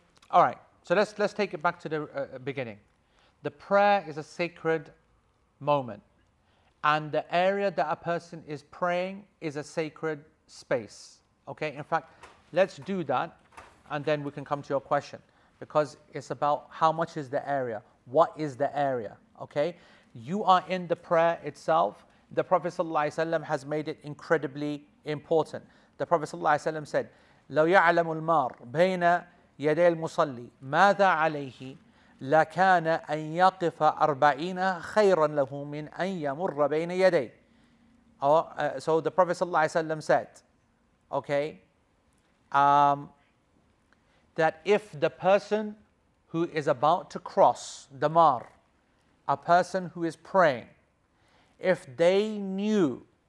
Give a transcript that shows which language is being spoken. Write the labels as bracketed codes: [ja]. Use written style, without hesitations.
[en] All right, so let's take it back to the beginning. The prayer is a sacred moment, and the area that a person is praying is a sacred space. Okay, in fact, let's do that and then we can come to your question, because it's about how much is the area. What is the area? Okay, you are in the prayer itself. The Prophet ﷺ has made it incredibly important. The Prophet ﷺ said, [ar] لو يعلم المار بين يدي المصلي ماذا عليه لكان أن يقف أربعين خيرا له من أن يمر بين يدي. [en] So the Prophet ﷺ said, okay, that if the person who is about to cross the mar, a person who is praying, if they knew